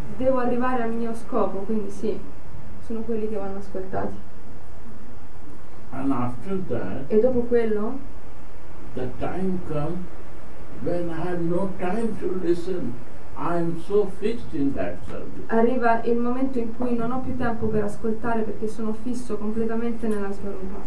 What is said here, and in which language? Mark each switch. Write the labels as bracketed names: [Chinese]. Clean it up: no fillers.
[Italian] Devo arrivare al mio scopo, quindi sì, sono quelli che vanno ascoltati. [English] And after that, [Italian] e dopo quello, [English] the time comes when I have no time to listen. I'm so fixed in that service. [Italian] Arriva il momento in cui non ho più tempo per ascoltare perché sono fisso completamente nella svarupa.